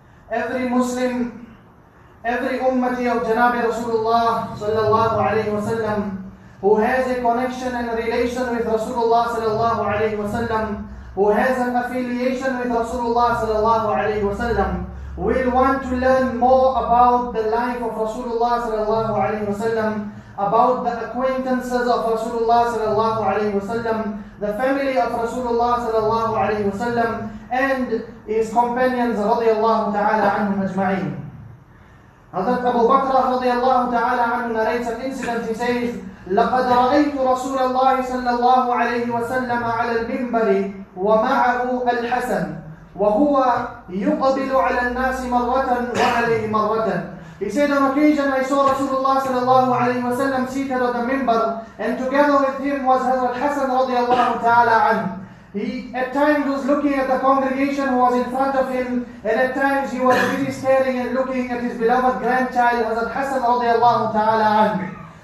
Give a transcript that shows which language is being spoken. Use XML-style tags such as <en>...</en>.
<en>Every Muslim, every ummati of Janabi Rasulullah sallallahu alayhi wa sallam who has a connection and a relation with Rasulullah sallallahu alayhi wa sallam, who has an affiliation with Rasulullah sallallahu alayhi wa sallam, will want to learn more about the life of Rasulullah sallallahu alayhi wa sallam, about the acquaintances of Rasulullah sallallahu alayhi wa sallam, the family of Rasulullah sallallahu alayhi wa sallam, and his companions radiallahu ta'ala anhum ajma'in. Hazrat Abu Bakr radiallahu ta'ala anhu narrates an incident. He says,</en> <ar>لقد رأيت رسول الله صلى الله عليه وسلم على المنبر ومعه الحسن وهو يقبل على الناس مرة وعليه مرة.</ar> <en>He said, on occasion I saw Rasulullah sallallahu alayhi wa sallam seated on the minbar, and together with him was Hazrat Hassan radiallahu ta'ala an. He at times was looking at the congregation who was in front of him, and at times he was really staring and looking at his beloved grandchild Hazrat Hassan radiallahu ta'ala an.</en>